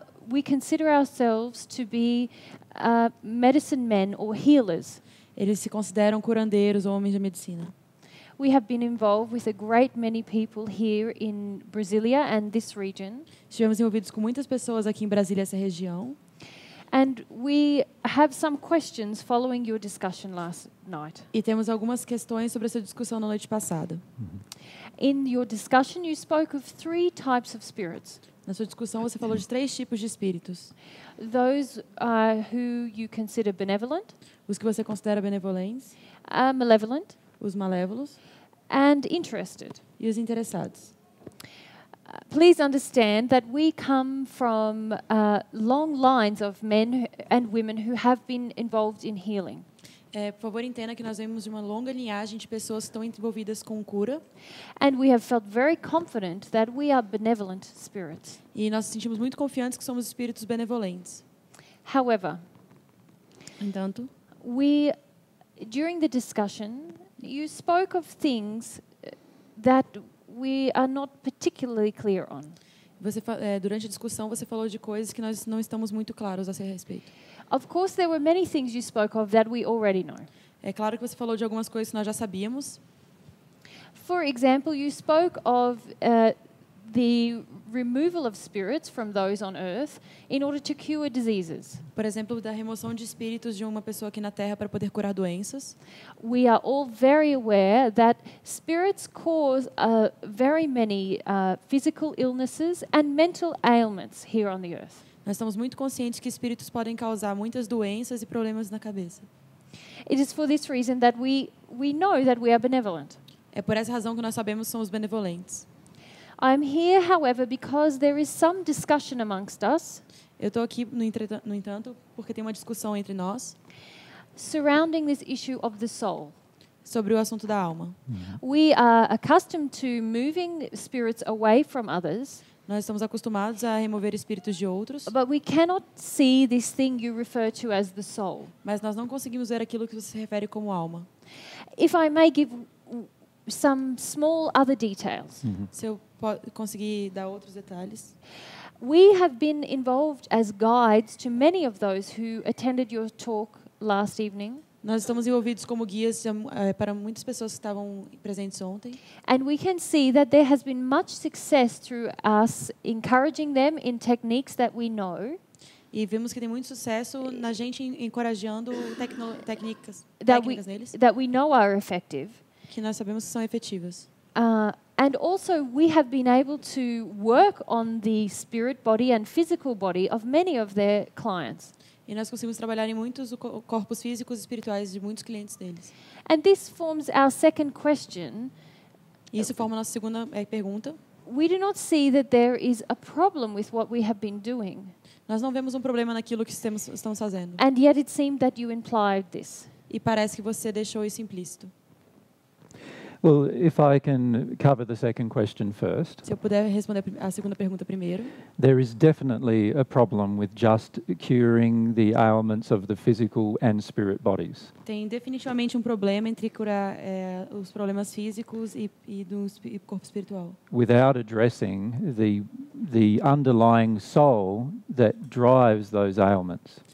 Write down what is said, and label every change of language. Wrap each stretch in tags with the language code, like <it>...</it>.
<en>We consider ourselves to be medicine men or healers.</en> <pt>Eles se consideram curandeiros ou homens de medicina.</pt> <en>We have been involved with a great many people here in Brasilia and this region.</en> <pt>Estivemos envolvidos com muitas pessoas aqui em Brasília, essa região.</pt> <en>And we have some questions following your discussion last night.</en> <pt>E temos algumas questões sobre essa discussão na noite passada.</pt> <en>In your discussion, you spoke of three types of spirits.</en> <pt>Na sua discussão, você falou de três tipos de espíritos.</pt> <en>Those who you consider benevolent.</en> <pt>Os que você considera benevolentes.</pt> <en>Malevolent.</en> <pt>Os malévolos.</pt> <en>And interested.</en> <pt>E os interessados.</pt> <en>Please understand that we come from long lines of men and women who have been involved in healing.</en> <pt>Por favor, entenda que nós vemos uma longa linhagem de pessoas que estão envolvidas com cura.</pt> <en>And we have felt very confident that we are benevolent spirits.</en> <pt>E nós sentimos muito confiantes que somos espíritos benevolentes.</pt> <en>However,</en> <pt>entanto,</pt> <en>we during the discussion, you spoke of things that we are not particularly clear on.</en> <pt>Durante a discussão você falou de coisas que nós não estamos muito claros a seu respeito.</pt> <en>Of course there were many things you spoke of that we already know.</en> <pt>É claro que você falou de algumas coisas que nós já sabíamos.</pt> <en>For example, you spoke of the removal of spirits from those on earth in order to cure diseases.</en> <pt>Por exemplo, da remoção de espíritos de uma pessoa aqui na Terra para poder curar doenças.</pt> <en>We are all very aware that spirits cause very many physical illnesses and mental ailments here on the earth.</en> <pt>Nós estamos muito conscientes que espíritos podem causar muitas doenças e problemas na cabeça.</pt> <en>It is for this reason that we know that we are benevolent.</en> <pt>É por essa razão que nós sabemos que somos benevolentes.</pt> <en>I'm here, however, because there is some discussion amongst us.</en> <pt>Eu estou aqui, no entanto, porque tem uma discussão entre nós.</pt> <en>Surrounding this issue of the soul.</en> <pt>sobre o assunto da alma.</pt> <en>We are accustomed to moving spirits away from others.</en> <pt>Nós estamos acostumados a remover espíritos de outros.</pt> <en>But we cannot see this thing you refer to as the soul.</en> <pt>Mas nós não conseguimos ver aquilo que você se refere como alma.</pt> <en>If I may give some small other details.</en> <pt>Se eu conseguir dar outros detalhes.</pt> <en>We have been involved as guides to many of those who attended your talk last evening.</en> <pt>Nós estamos envolvidos como guias para muitas pessoas que estavam presentes ontem.</pt> <en>And we can see that there has been much success through us encouraging them in techniques that we know.</en> <pt>E vimos que tem muito sucesso na gente encorajando técnicas neles.</pt> <en>That we know are effective.</en> <pt>Que nós sabemos que são efetivas.</pt> <en>And also we have been able to work on the spirit body and physical body of many of their clients.</en> <pt>E nós conseguimos trabalhar em muitos corpos físicos e espirituais de muitos clientes deles.</pt> <en>And this forms our second question.</en> <pt>Isso forma a nossa segunda pergunta.</pt> <en>We do not see that there is a problem with what we have been doing.</en> <pt>Nós não vemos problema naquilo que estamos fazendo.</pt> <en>And yet it seemed that you implied this.</en> <pt>E parece que você deixou isso implícito.</pt> <en>Well, if I can cover the second question first.</en> <pt>Se eu puder responder a segunda pergunta primeiro.</pt> <en>There is definitely a problem with just curing the ailments of the physical and spirit bodies.</en> <pt>Tem definitivamente problema entre curar os problemas físicos e do corpo espiritual.</pt> <en>Without addressing the underlying soul that drives those ailments.</en>